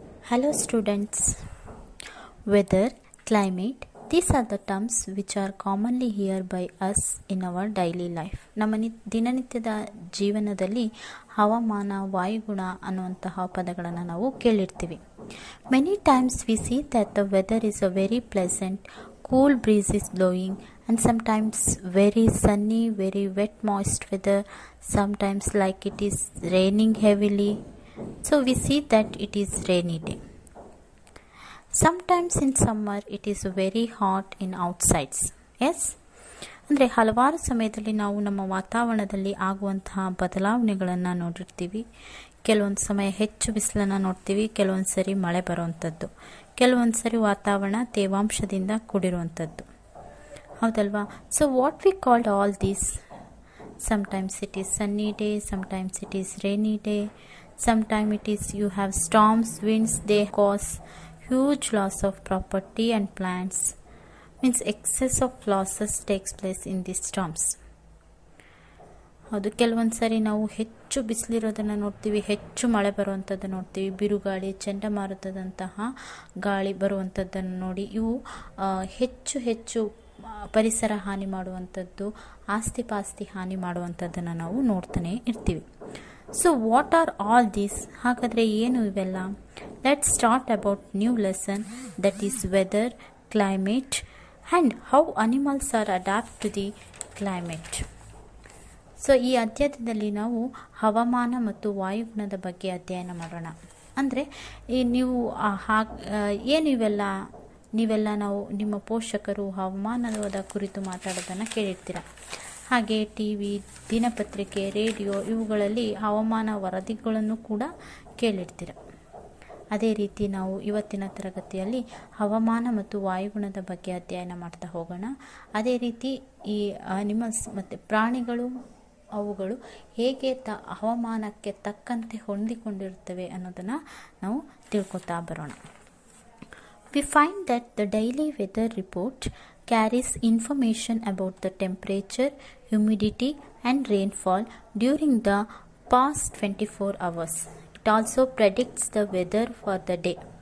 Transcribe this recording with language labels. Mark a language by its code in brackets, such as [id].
[en] Hello students, weather, climate, these are the terms which are commonly heard by us in our daily life. [kn] ನಮ್ಮ ದಿನನಿತ್ಯದ ಜೀವನದಲ್ಲಿ ಹವಾಮಾನ, ವಾಯುಗುಣ ಅನ್ನುವಂತಹ ಪದಗಳನ್ನು ನಾವು ಕೇಳಿರ್ತೀವಿ. [en] Many times we see that the weather is a very pleasant, cool breeze is blowing and sometimes very sunny, very wet moist weather, sometimes like it is raining heavily. So we see that it is rainy day. Sometimes in summer it is very hot in outsides. Yes? [kn] ಅಂದರೆ ಹಲವಾರು ಸಮಯದಲ್ಲಿ ನಾವು ನಮ್ಮ ವಾತಾವರಣದಲ್ಲಿ ಆಗುವಂತಹ ಬದಲಾವಣೆಗಳನ್ನು ನೋಡಿರ್ತೀವಿ. ಕೆಲವೊಂದು ಸಮಯ ಹೆಚ್ಚು ಬಿಸಿಲನ್ನು ನೋಡ್ತೀವಿ, ಕೆಲವೊಂದು ಸರಿ ಮಳೆ ಬರುವಂಥದ್ದು, ಕೆಲವೊಂದು ಸರಿ ವಾತಾವರಣ ತೇವಾಂಶದಿಂದ ಕೂಡಿರುವಂಥದ್ದು, ಹೌದಲ್ವಾ? [en] So what we called all these? Sometimes it is sunny day, sometimes it is rainy day, sometimes it is you have storms, winds, they cause huge loss of property and plants, means excess of losses takes place in these storms. [kn] ಅದು ಕೆಲವೊಂದು ಸಾರಿ ನಾವು ಹೆಚ್ಚು ಬಿಸಿಲಿರೋದನ್ನು ನೋಡ್ತೀವಿ, ಹೆಚ್ಚು ಮಳೆ ಬರುವಂಥದ್ದನ್ನು ನೋಡ್ತೀವಿ, ಬಿರುಗಾಳಿ ಚಂಡಮಾರುತದಂತಹ ಗಾಳಿ ಬರುವಂಥದ್ದನ್ನು ನೋಡಿ, ಇವು ಹೆಚ್ಚು ಹೆಚ್ಚು ಪರಿಸರ ಹಾನಿ ಮಾಡುವಂಥದ್ದು, ಆಸ್ತಿ ಪಾಸ್ತಿ ಹಾನಿ ಮಾಡುವಂಥದ್ದನ್ನು ನಾವು ನೋಡ್ತಾನೆ ಇರ್ತೀವಿ. [en] So what are all these? [kn] ಹಾಗಾದರೆ ಏನು ಇವೆಲ್ಲ? [en] Let's start about new lesson, that is weather, climate and how animals are adapt to the climate. [kn] So ಈ ಅಧ್ಯಯನದಲ್ಲಿ ನಾವು ಹವಾಮಾನ ಮತ್ತು ವಾಯುಗುಣದ ಬಗ್ಗೆ ಅಧ್ಯಯನ ಮಾಡೋಣ. ಅಂದರೆ ಈ ನೀವು ಏನಿವೆಲ್ಲ ನೀವೆಲ್ಲ ನಾವು ನಿಮ್ಮ ಪೋಷಕರು ಹವಾಮಾನದ ಕುರಿತು ಮಾತಾಡೋದನ್ನು ಕೇಳಿರ್ತೀರ. ಹಾಗೆ ಟಿವಿ, ದಿನಪತ್ರಿಕೆ, ರೇಡಿಯೋ ಇವುಗಳಲ್ಲಿ ಹವಾಮಾನ ವರದಿಗಳನ್ನು ಕೂಡ ಕೇಳಿರ್ತೀರ. ಅದೇ ರೀತಿ ನಾವು ಇವತ್ತಿನ ತರಗತಿಯಲ್ಲಿ ಹವಾಮಾನ ಮತ್ತು ವಾಯುಗುಣದ ಬಗ್ಗೆ ಅಧ್ಯಯನ ಮಾಡ್ತಾ ಹೋಗೋಣ. ಅದೇ ರೀತಿ ಈ ಅನಿಮಲ್ಸ್ ಮತ್ತು ಪ್ರಾಣಿಗಳು ಅವುಗಳು ಹೇಗೆ ಹವಾಮಾನಕ್ಕೆ ತಕ್ಕಂತೆ ಹೊಂದಿಕೊಂಡಿರುತ್ತವೆ ಅನ್ನೋದನ್ನು ನಾವು ತಿಳ್ಕೊತಾ ಬರೋಣ. [en] We find that the daily weather report carries information about the temperature, humidity and rainfall during the past 24 hours. It also predicts the weather for the day.